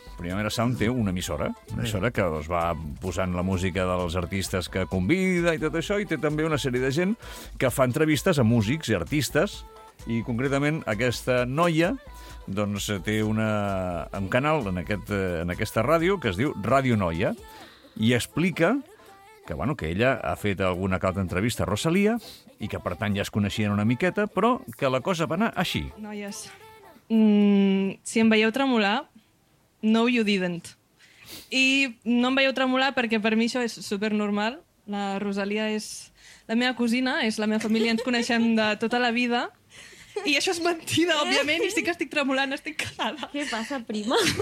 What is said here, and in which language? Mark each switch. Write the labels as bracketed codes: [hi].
[ca] Primavera Sound té una emissora, que doncs, va posant la música dels artistes que convida i tot això, i té també una sèrie de gent que fa entrevistes a músics i artistes, i concretament aquesta noia doncs, té un canal en aquesta ràdio que es diu Ràdio Noia, i explica que ella ha fet alguna altra entrevista a Rosalía i que, per tant, ja es coneixien una miqueta, però que la cosa va anar així. Noies, si em veieu tremolar... [en] No, you didn't. [ca] I no em veieu tremolar perquè per mi això és supernormal. La Rosalía és la meva cosina, és la meva família, ens coneixem de tota la vida. I això és mentida, òbviament, i sí que estic tremolant, estic calada. Què passa, prima?